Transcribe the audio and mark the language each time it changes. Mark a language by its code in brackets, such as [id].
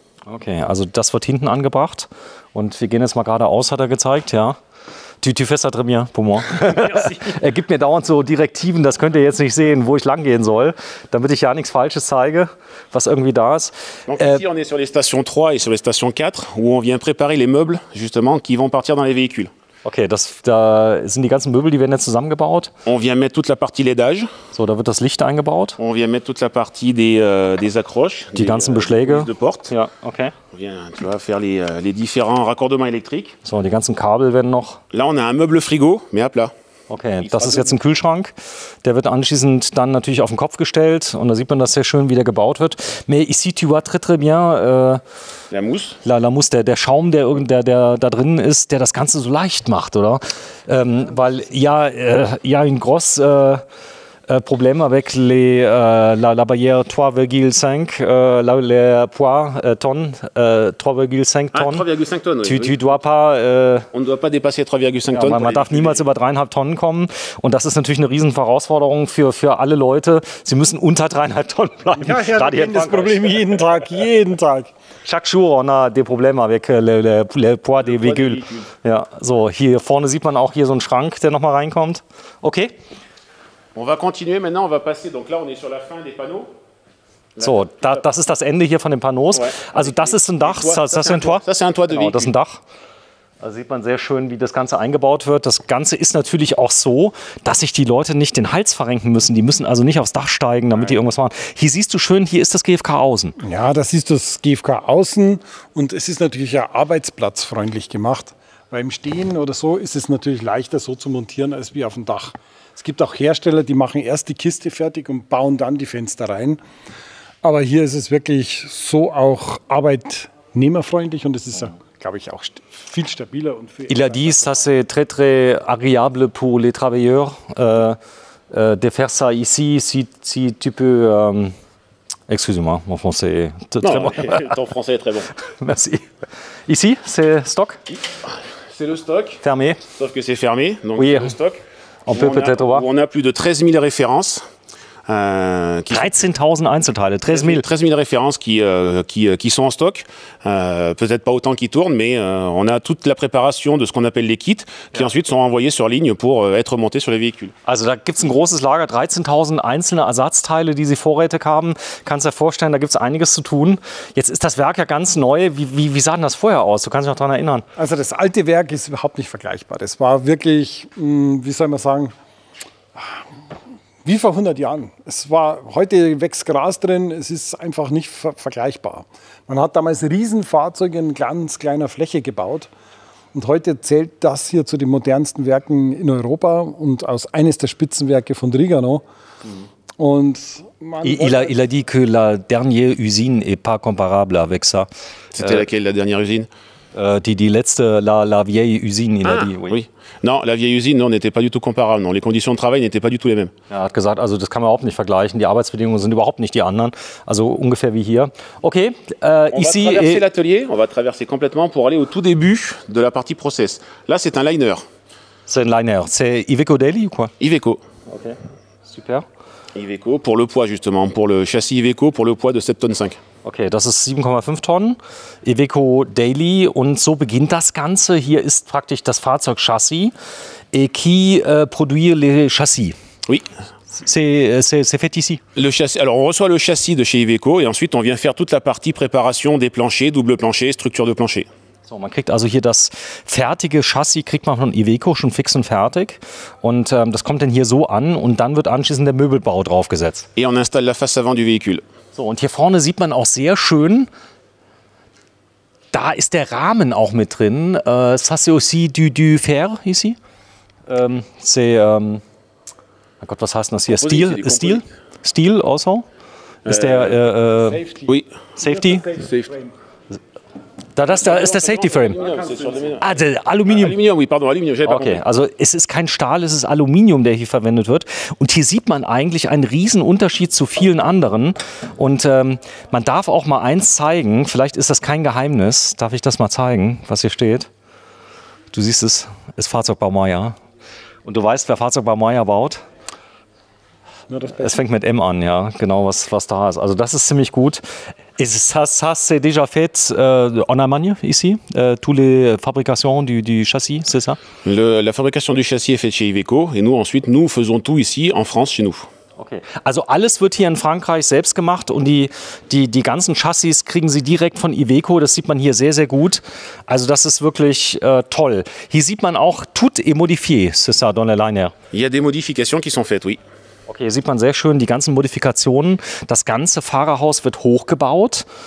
[de] Okay, also das wird hinten angebracht und wir gehen jetzt mal geradeaus, hat er gezeigt, ja. [fr] Tu fais ça très bien, pour moi. [de] Er gibt mir dauernd so Direktiven, das könnt ihr jetzt nicht sehen, wo ich lang gehen soll, damit ich ja nichts Falsches zeige, was irgendwie da ist. [fr] Donc ici, on est sur les stations 3 et sur les stations 4, où on vient préparer les meubles, justement, qui vont partir dans les véhicules. [de] Okay, da sind die ganzen Möbel, die werden jetzt zusammengebaut. [fr] On vient mettre toute la partie LEDage. [de] So, da wird das Licht eingebaut. [fr] On vient mettre toute la partie des accroches. [de] Die ganzen Beschläge. [fr] De porte. [de] Ja, okay. [fr] On vient, tu vois, faire les différents raccordements électriques. [de] So, die ganzen Kabel werden noch. [fr] Là, on a un meuble frigo, mais à plat. [de] Okay, das ist jetzt ein Kühlschrank. Der wird anschließend dann natürlich auf den Kopf gestellt. Und da sieht man das sehr schön, wie der gebaut wird. [fr] Mais ici, tu vois très, très bien. La mousse. La mousse, [de] der Schaum, der da drin ist, der das Ganze so leicht macht, oder? Weil, ja, [fr] ein gros problème avec les, la barrière 3,5, le poids tonnes, 3,5 tonnes. Ah, 3,5 tonnes, oui. Tu dois pas, on ne doit pas dépasser 3,5 tonnes. [de] Man darf niemals über 3,5 Tonnen kommen. Und das ist natürlich eine Riesenherausforderung für alle Leute. Sie müssen unter 3,5 Tonnen bleiben. Ja, das ist das Problem jeden Tag, jeden Tag. [fr] Chaque jour, on a des problèmes avec le poids des véhicules. [de] Ja, so, hier vorne sieht man auch hier so einen Schrank, der nochmal reinkommt. Okay. [fr] On va continuer maintenant, on va passer. Donc là, on est sur la fin des panneaux. [de] So, das ist das Ende hier von den Panneaus. [fr] Ouais. [de] Also, das ist ein Dach. [fr] Ça, c'est un toit. Ça, c'est un toit de véhicule. [de] Das ist ein Dach. Da sieht man sehr schön, wie das Ganze eingebaut wird. Das Ganze ist natürlich auch so, dass sich die Leute nicht den Hals verrenken müssen. Die müssen also nicht aufs Dach steigen, damit die irgendwas machen. Hier siehst du schön, hier ist das GfK außen. Ja, das ist das GfK außen. Und es ist natürlich ja arbeitsplatzfreundlich gemacht. Beim Stehen oder so ist es natürlich leichter so zu montieren als wie auf dem Dach. Es gibt auch Hersteller, die machen erst die Kiste fertig und bauen dann die Fenster rein. Aber hier ist es wirklich so auch arbeitnehmerfreundlich und es ist, glaube ich, auch viel stabiler. Und viel. [fr] Il a dit, ça c'est très très agréable pour les travailleurs de faire ça ici, si tu peux Excusez-moi, mon français est très bon. Ton français est très bon. Merci. Ici, c'est stock? C'est le stock. Fermé. Sauf que c'est fermé, donc oui. C'est le stock. On peut peut-être voir. On a plus de 13 000 références. [de] 13 000 Einzelteile, 13 000. [fr] 13 000 références qui sont en stock. Peut-être pas autant qui tournent, mais on a toute la préparation de ce qu'on appelle les kits, qui ensuite sont envoyés sur ligne pour être montés sur les véhicules. [de] Also, da gibt es ein großes Lager, 13.000 einzelne Ersatzteile, die Sie vorrätig haben. Kannst dir vorstellen, da gibt es einiges zu tun. Jetzt ist das Werk ja ganz neu. Wie sah denn das vorher aus? Du kannst dich noch daran erinnern. Also, das alte Werk ist überhaupt nicht vergleichbar. Das war wirklich, wie soll man sagen, wie vor 100 Jahren. Heute wächst Gras drin, es ist einfach nicht vergleichbar. Man hat damals Riesenfahrzeuge in ganz kleiner Fläche gebaut. Und heute zählt das hier zu den modernsten Werken in Europa und aus eines der Spitzenwerke von Trigano. Und [fr] il a dit que la dernière usine n'est pas comparable avec ça. C'était laquelle, la dernière usine? [de] Die letzte, [fr] la vieille usine, il a dit, oui. Oui. Non, la vieille usine, non, n'était pas du tout comparable. Non, les conditions de travail n'étaient pas du tout les mêmes. [de] Er hat gesagt, also das kann man überhaupt nicht vergleichen. Die Arbeitsbedingungen sind überhaupt nicht die anderen. Also ungefähr wie hier. Okay, [fr] ici... On va traverser l'atelier, on va traverser complètement pour aller au tout début de la partie process. Là, c'est un liner. C'est un liner. C'est Iveco Daily ou quoi? Iveco. Ok, super. Iveco, pour le poids justement, pour le châssis Iveco, pour le poids de 7,5 tonnes. [de] Okay, das ist 7,5 Tonnen, Iveco Daily, und so beginnt das Ganze. Hier ist praktisch das Fahrzeugchassis. [fr] Et qui produit les châssis? Oui. C'est fait ici. Le châssis, alors on reçoit le châssis de chez Iveco et ensuite on vient faire toute la partie préparation des planchers, double plancher, structure de plancher. [de] So, man kriegt also hier das fertige Chassis, kriegt man von Iveco schon fix und fertig. Und das kommt dann hier so an und dann wird anschließend der Möbelbau draufgesetzt. [fr] Et on installe la face avant du véhicule. [de] So, und hier vorne sieht man auch sehr schön, da ist der Rahmen auch mit drin. [fr] Ça c'est aussi du fer, ici? C'est, [de] mein Gott, was heißt das hier? [en] Steel? Steel? Steel [de] also? Ist der, [fr] Safety. Oui. [en] Safety? Safety. [de] Da ist der Safety Frame. Ah, der Aluminium. [fr] Aluminium, oui, pardon, Aluminium. [de] Okay, also es ist kein Stahl, es ist Aluminium, der hier verwendet wird. Und hier sieht man eigentlich einen Riesenunterschied zu vielen anderen. Und man darf auch mal eins zeigen, vielleicht ist das kein Geheimnis. Darf ich das mal zeigen, was hier steht? Du siehst es, ist Fahrzeugbaumeier. Und du weißt, wer Fahrzeugbaumeier baut? Es fängt mit M an, ja, genau, was da ist. Also das ist ziemlich gut. [fr] Ça c'est déjà fait en Allemagne, ici, toutes les fabrications du châssis, c'est ça? La fabrication du châssis est faite chez Iveco, et nous ensuite, nous faisons tout ici, en France, chez nous. [de] Okay. Also alles wird hier in Frankreich selbst gemacht und die ganzen Chassis kriegen Sie direkt von Iveco, das sieht man hier sehr, sehr gut. Also das ist wirklich toll. Hier sieht man auch [fr] tout est modifié, c'est ça, dans le liner. Il y a des modifications qui sont faites, oui. [de] Okay, hier sieht man sehr schön die ganzen Modifikationen. Das ganze Fahrerhaus wird hochgebaut.